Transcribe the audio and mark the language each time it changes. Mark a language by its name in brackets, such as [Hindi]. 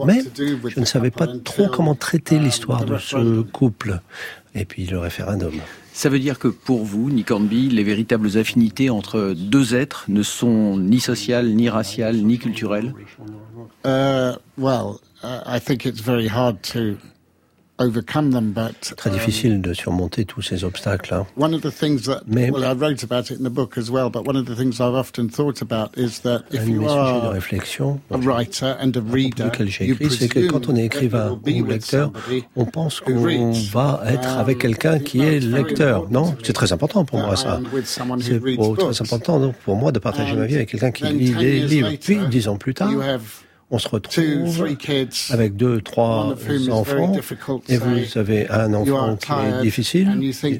[French] Mais je ne savais pas trop comment traiter l'histoire de ce couple et puis le référendum. Ça veut dire que pour vous, Nick Hornby, les véritables affinités entre deux êtres ne sont ni sociales, ni raciales, ni culturelles ? [English] I think it's very hard to overcome them, but [French] très difficile de surmonter tous ces obstacles. [English] One of the things that I wrote about it in the book as well, but one of the things I've often thought about is that if you are a writer and a reader, you presume [French] que quand on est écrivain ou lecteur, on pense qu'on va être avec quelqu'un qui est lecteur, non? C'est très important pour moi ça. C'est très important donc pour moi de partager ma vie avec quelqu'un qui lit des livres. Puis 10 ans plus tard, on se retrouve avec 2-3 enfants et vous avez un enfant qui est difficile.